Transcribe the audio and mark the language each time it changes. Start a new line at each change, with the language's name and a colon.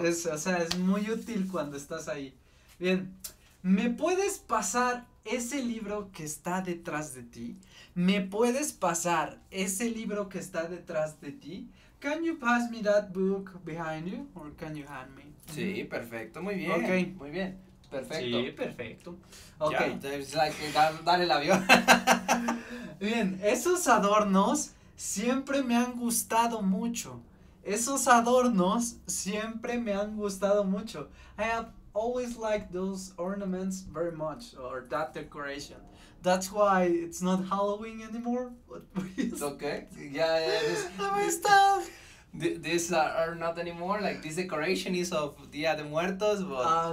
Spanish: Es, o sea, es muy útil cuando estás ahí. Bien, ¿me puedes pasar ese libro que está detrás de ti? ¿Me puedes pasar ese libro que está detrás de ti?
English: Can you pass me that book behind you, or can you hand me?
Spanish: Sí, mm-hmm. Perfecto, muy bien. Okay. Muy bien. Perfecto. Sí, perfecto.
English: Ok. Yeah. It's like,
Spanish: dale el avión. Bien, esos adornos siempre me han gustado mucho. Esos adornos siempre me han gustado mucho.
English: I have always liked those ornaments very much, or that decoration. That's why it's not Halloween anymore. It's okay. Yeah. I'm stuck. These are not anymore, like this decoration is of Dia de Muertos, but...